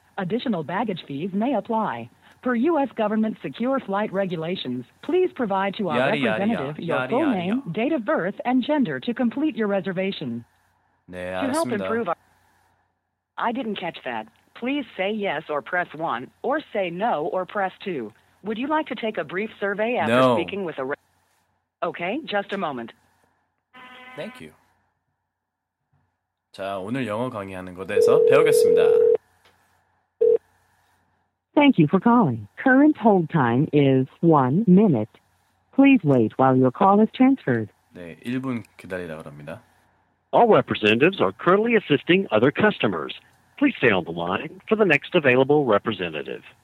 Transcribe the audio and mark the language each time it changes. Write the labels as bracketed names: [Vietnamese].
[English] Additional baggage fees may apply. Per U.S. government secure flight regulations, please provide to our representative your full name, date of birth, and gender to complete your reservation. [Korean] 네, 알겠습니다. [English] To help improve our... I didn't catch that. Please say yes or press 1, or say no or press 2. Would you like to take a brief survey after speaking with a... Okay, just a moment. Thank you. [Korean] 자, 오늘 영어 강의하는 곳에서 배우겠습니다. [English] Thank you for calling. Current hold time is 1 minute. Please wait while your call is transferred. [Korean] 네, 1분 기다리라고 합니다. [English] All representatives are currently assisting other customers. Please stay on the line for the next available representative.